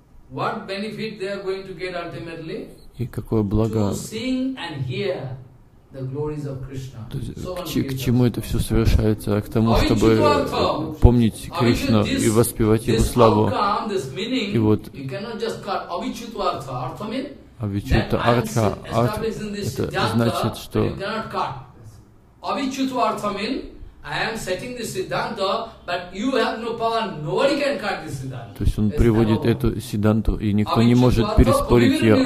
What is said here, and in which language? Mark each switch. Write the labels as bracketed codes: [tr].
[en] What benefit they are going to get ultimately? [ru] И какое благо? [en] To sing and hear the glories of Krishna. [ru] То есть к чему это все совершается? К тому, чтобы помнить Кришну и воспевать Его славу. И вот. [en] You cannot just call avichuta artha. Artha means? [ru] Avichuta artha. Это значит, что. [en] Avichuta artha means? I am setting this siddhanta, but you have no power. Nobody can cut this siddhanta. [ru] То есть он приводит эту сиддханту, и никто не может переспорить ее.